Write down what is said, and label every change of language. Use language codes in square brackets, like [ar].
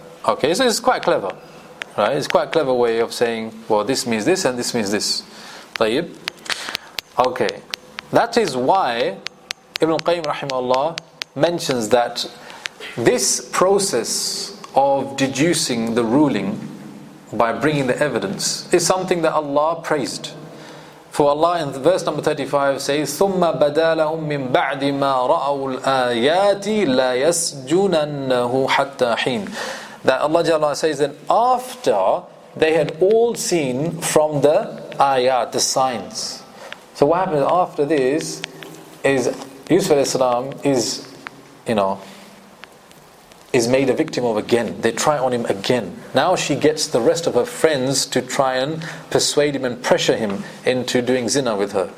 [en] Okay, so it's quite clever. Right? It's quite a clever way of saying, well, this means this and this means this. Tayyib. Okay. That is why Ibn Qayyim rahimahullah mentions that this process of deducing the ruling by bringing the evidence is something that Allah praised. For Allah in verse number 35 says, [ar] ثُمَّ بَدَى لَهُمْ مِّن بَعْدِ مَا رَأَوُ الْآيَاتِ لَا يَسْجُنَنَّهُ حَتَّى حِينَ. [en] That Allah Jalla says that after they had all seen from the ayat, the signs. So what happens after this is Yusuf alayhi salam is, you know, is made a victim of again. They try on him again. Now she gets the rest of her friends to try and persuade him and pressure him into doing zina with her.